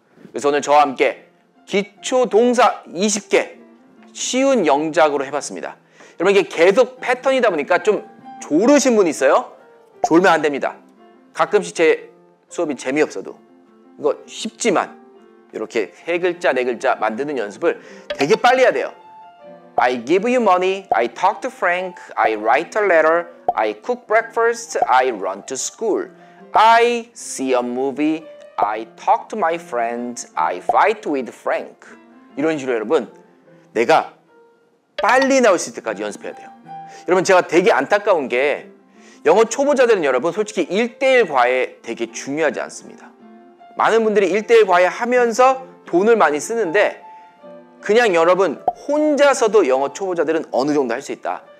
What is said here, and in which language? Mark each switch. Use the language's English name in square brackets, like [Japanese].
[Korean] 그래서 오늘 저와 함께 기초 동사 20개 쉬운 영작으로 해봤습니다. 여러분 이게 계속 패턴이다 보니까 좀 졸으신 분 있어요? 졸면 안 됩니다. 가끔씩 제 수업이 재미없어도 이거 쉽지만 이렇게 세 글자, 네 글자 만드는 연습을 되게 빨리 해야 돼요. [English] I give you money, I talk to Frank, I write a letter, I cook breakfast, I run to school. I see a movie, I talk to my friends, I fight with Frank. [Korean] 이런 식으로 여러분 내가 빨리 나올 수 있을 때까지 연습해야 돼요. 여러분 제가 되게 안타까운 게 영어 초보자들은 여러분 솔직히 1대1 과외 되게 중요하지 않습니다. 많은 분들이 1대1 과외 하면서 돈을 많이 쓰는데 그냥 여러분 혼자서도 영어 초보자들은 어느 정도 할 수 있다.